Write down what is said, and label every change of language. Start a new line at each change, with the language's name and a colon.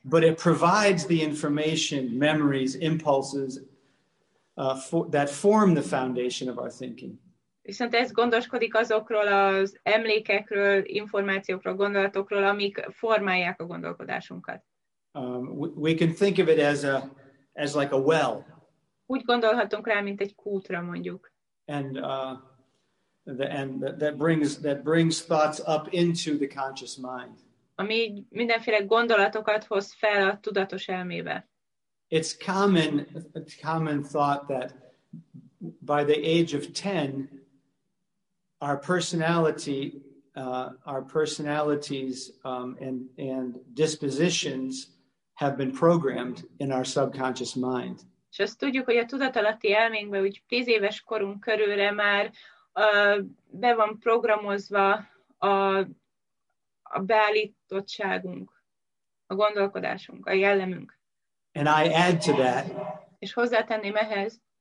English: But it provides the information, memories, impulses that form the foundation of our thinking.
Hungarian: Viszont ez gondoskodik azokról az emlékekről, információkról, gondolatokról, amik formálják a gondolkodásunkat.
English: We can think of it as like a well.
Hungarian: Úgy gondolhatunk rá, mint egy kútra mondjuk.
English: And that brings thoughts up into the conscious mind.
Hungarian: Ami mindenféle gondolatokat hoz fel a tudatos elmébe.
English: It's common thought that by the age of 10, our personalities and dispositions have been programmed in our subconscious mind.
Hungarian: És azt tudjuk, hogy a tudatalatti elménkben, úgy 10 éves korunk körülre már be van programozva a beállítottságunk, a gondolkodásunk, a jellemünk.
English: And I add to that.
Hungarian: És hozzátenném ehhez.